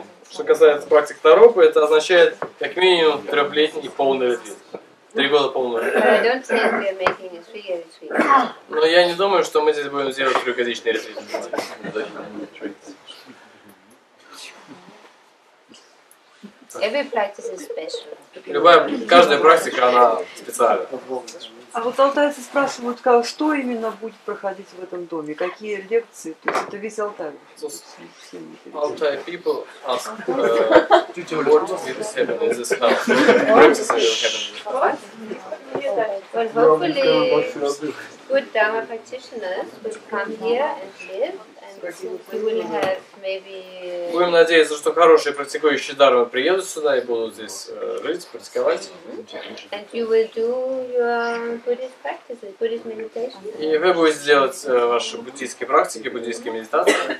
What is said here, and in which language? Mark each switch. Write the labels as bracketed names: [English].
[Russian] Что касается практик Наропы, это означает как минимум 3-летний и полный ретрит. 3 года полный ретрит. [English] I don't think we are making a 3-year retreat. [Russian] Но я не думаю, что мы здесь будем делать 3-годичный ретрит. [English] Every practice is special. [Russian] Любая, каждая практика, она специальна. А вот алтайцы спрашивают, как, что именно будет проходить в этом доме, какие лекции, то есть это весь Алтай. [English] Алтай people ask, what will happen in this house, what will happen in this house. Well, hopefully good Dharma practitioners will come here and live. [Russian] Будем надеяться, что хорошие практикующие дармы приедут сюда и будут здесь жить, практиковать. И вы будете делать ваши буддийские практики, буддийские медитации.